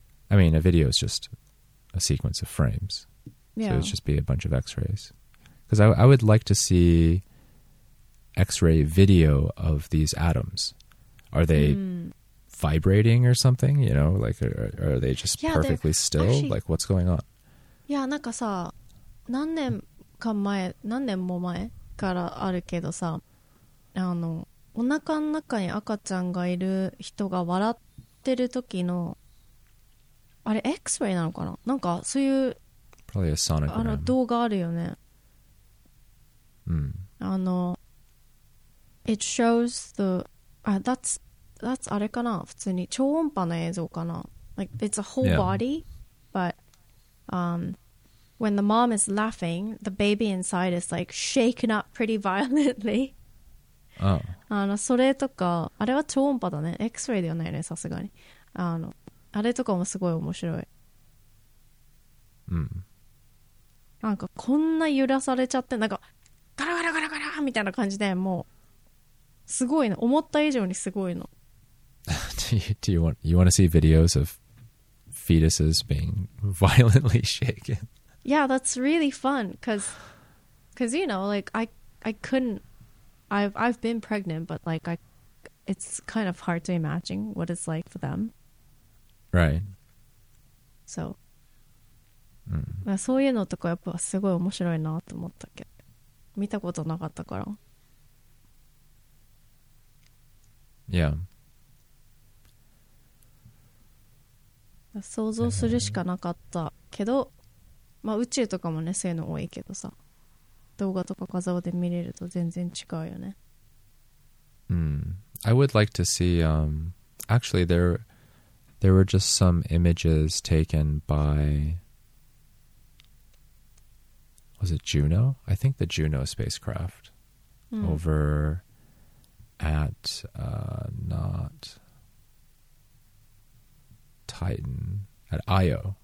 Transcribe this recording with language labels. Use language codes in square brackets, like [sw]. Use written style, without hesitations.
[en] I mean, a video is just a sequence of frames. Yeah. So it would just be a bunch of X-rays. Because I would like to see X-ray video of these atoms. Are they vibrating or something? You know, like, are they just perfectly still? Actually, like, what's going on? [ja] Yeah, なんかさ、何年も前からあるけどさ、あの、お腹の中に赤ちゃんがいる人が笑ってる時の、あれ X-ray なのかな？なんかそういう、 [en] Probably a sonogram. [ja] あの動画あるよね。 [en] あの、It shows the, that's [ja] あれかな？普通に超音波の映像かな？ [en] Like, it's a whole body, but, when the mom is laughing, the baby inside is like shaken up pretty violently. Oh. [ja] あの、それとか、あれは超音波だね。X-ray ではないね、さすがに。あの、あれとかもすごい面白い。なんかこんな揺らされちゃって、なんかガラガラガラガラみたいな感じで、もうすごいの、思った以上にすごいの。 [en] Do you want to see videos of fetuses being violently shaken? Yeah, that's really fun, cause you know, like I've been pregnant, but like it's kind of hard to imagine what it's like for them. Right. So. [ja] そういうのとかやっぱすごい面白いなと思ったけど、見たことなかったから。 [en] Yeah. [ja] 想像するしかなかったけど、まあ宇宙とかもねそういうの多いけどさ、動画とか画像で見れると全然違うよね。 [en] I would like to see, actually There were just some images taken by, was it Juno? I think the Juno spacecraft over at, not Titan, at Io.